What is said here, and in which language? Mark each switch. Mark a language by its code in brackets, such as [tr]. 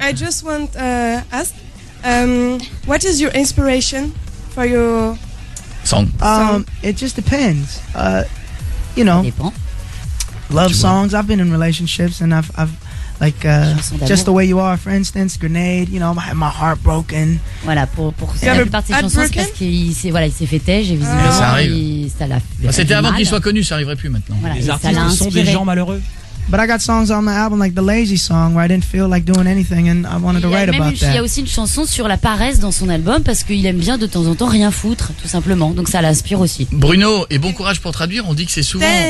[en] I just want to ask, what is your inspiration for your song? It just depends. Love songs. I've been in relationships and I've like just the way you are, for instance, Grenade. You know, my heart broken. [fr] Voilà, pour la plupart de ses chansons, c'est parce qu'il s'est fait têche et visiblement ça arrive. C'était avant qu'il soit connu, ça arriverait plus maintenant. Voilà, les artistes sont des gens malheureux. [en] But I got songs on my album like the Lazy Song where I didn't feel like doing anything and I wanted to write about that. [fr] Il y a aussi une chanson sur la paresse dans son album parce qu'il aime bien de temps en temps rien foutre tout simplement, donc ça l'inspire aussi. Bruno, et bon courage pour traduire, on dit que c'est souvent